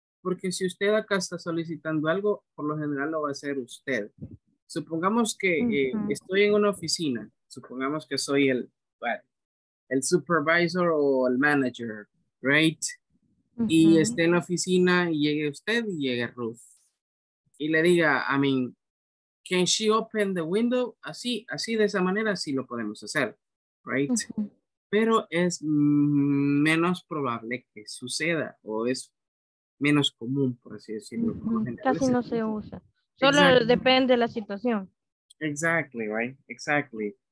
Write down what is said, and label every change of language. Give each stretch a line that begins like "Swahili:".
Spanish: Porque si usted acá está solicitando algo, por lo general lo va a hacer usted. Supongamos que estoy en una oficina. Supongamos que soy el supervisor o el manager, right? uh-huh. y esté en la oficina y llegue usted y llegue Ruth. Y le diga,
English: I mean, can she open the window?
Spanish: Así, así de esa manera sí lo podemos hacer, right? Uh-huh. Pero es menos probable que suceda o es menos común, por así decirlo. Uh-huh. Casi no se usa. Solo exactly. depende de la situación.
English: Exactly, right? Exactly.